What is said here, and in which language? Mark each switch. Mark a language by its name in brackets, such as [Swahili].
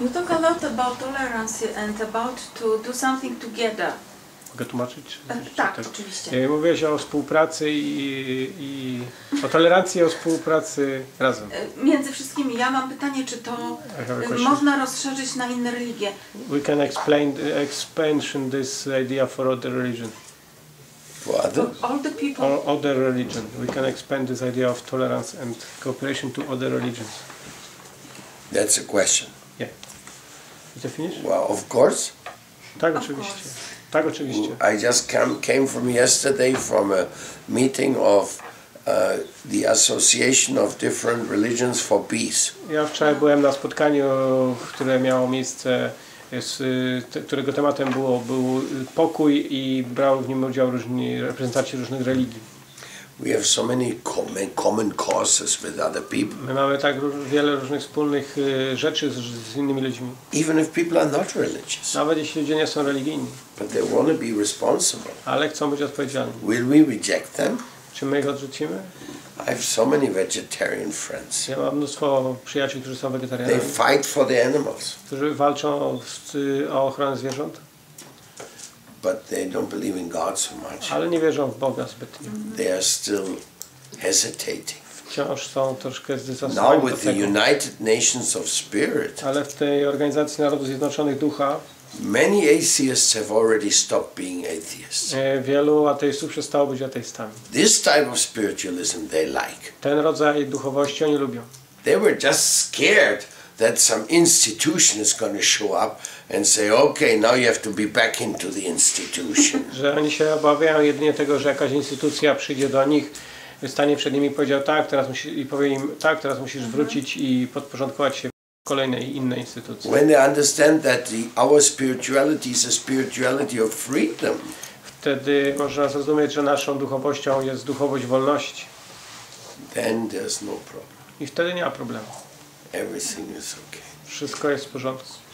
[English] You talk a lot about tolerance and about to do something together. [Polish] Mogę tłumaczyć? Tak, oczywiście. Mówiłeś o współpracy i o tolerancji, o współpracy razem. Między wszystkimi. Ja mam pytanie, czy to można rozszerzyć na inne religie? [English] We can explain the expansion this idea for other religion. For others? All the people. Or other religion. We can expand this idea of tolerance and cooperation to other religions. That's a question. Yeah. Did you finish? Well, of course. [Polish] Tak, oczywiście. Tak, oczywiście. [English] I just came from yesterday from a meeting of the Association of Different Religions for Peace. [Polish] Ja wczoraj byłem na spotkaniu, które miało miejsce, którego tematem był pokój i brał w nim udział różni reprezentanci różnych religii. [English] We have so many common causes with other people. [Polish] My mamy tak wiele różnych wspólnych rzeczy z innymi ludźmi. [English] Even if people are not religious. [Polish] Nawet jeśli ludzie nie są religijni. [English] But they want to be responsible. [Polish] Ale chcą być odpowiedzialni. [English] Will we reject them? [Polish] Czy my ich odrzucimy? [English] I have so many vegetarian friends. [Polish] Ja mam mnóstwo przyjaciół, którzy są wegetarianami. [English] They fight for the animals. [Polish] Którzy walczą o ochronę zwierząt. [English] But they don't believe in God so much. [Polish] Ale nie wierzą w Boga zbytnio. [English] They are still hesitating. [Polish] Wciąż są troszkę zdecydowani. [English] Now with the United Nations of Spirit. [Polish] Ale w tej Organizacji Narodów Zjednoczonych Ducha. [English] Many atheists have already stopped being atheists. [Polish] Wielu ateistów przestało być ateistami. [English] This type of spiritualism they like. [Polish] Ten rodzaj duchowości oni lubią. [English] They were just scared that some institution is going to show up and say, okay, now you have to be back into the institution. [Polish] Że oni się obawiają jedynie tego, że jakaś instytucja przyjdzie do nich, stanie przed nimi i powiedział tak, teraz musisz, i powie im tak, teraz musisz wrócić i podporządkować się kolejnej innej instytucji. [English] When they understand that our spirituality is a spirituality of freedom. [Polish] Wtedy można zrozumieć, że naszą duchowością jest duchowość wolności. [English] Then there's no problem. [Polish] I wtedy nie ma problemu. [English] Everything is okay. [Polish] Wszystko jest w porządku.